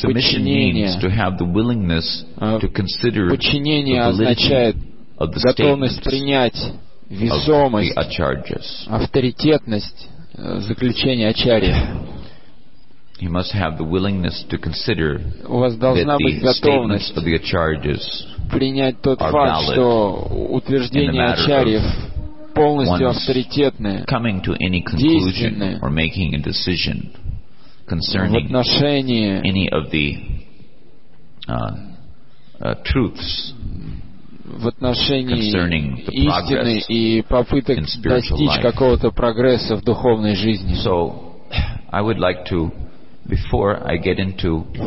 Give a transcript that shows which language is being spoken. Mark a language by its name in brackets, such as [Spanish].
[English] submission means to have the willingness to consider the validity of the statements of the acharyas. [Russian] Авторитетность заключения ачарьи. [English] He must have the willingness to consider that the statements of the acharyas are valid in the matter of one's coming to any conclusion or making a decision. Concerning [Russian] в отношении [English] any of the, truths [Russian] в отношении [English] concerning the [Russian] истины и попыток [English] in spiritual [Russian] достичь Какого-то прогресса в духовной жизни. [English] So, I would like to, before I get into,